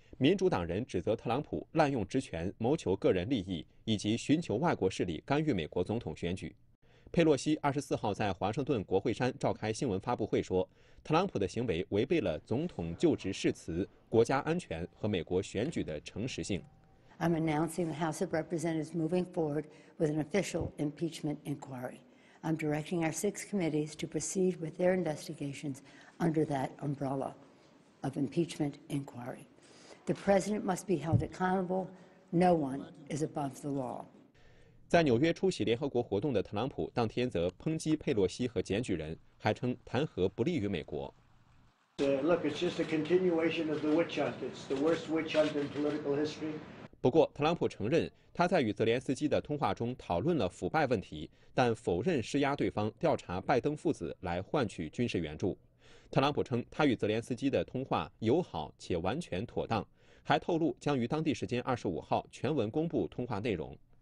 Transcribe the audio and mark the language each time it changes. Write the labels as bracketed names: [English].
[Chinese] 民主党人指责特朗普滥用职权、谋求个人利益以及寻求外国势力干预美国总统选举。佩洛西24号在华盛顿国会山召开新闻发布会说，特朗普的行为违背了总统就职誓词、国家安全和美国选举的诚实性。 [English] I'm announcing the House of Representatives moving forward with an official impeachment inquiry. I'm directing our six committees to proceed with their investigations under that umbrella of impeachment inquiry. The president must be held accountable. No one is above the law. [Chinese] 在纽约出席联合国活动的特朗普当天则抨击佩洛西和检举人，还称弹劾不利于美国。 [English] Look, it's just a continuation of the witch hunt. It's the worst witch hunt in political history. [Chinese] 不过，特朗普承认他在与泽连斯基的通话中讨论了腐败问题，但否认施压对方调查拜登父子来换取军事援助。特朗普称他与泽连斯基的通话友好且完全妥当，还透露将于当地时间25号全文公布通话内容。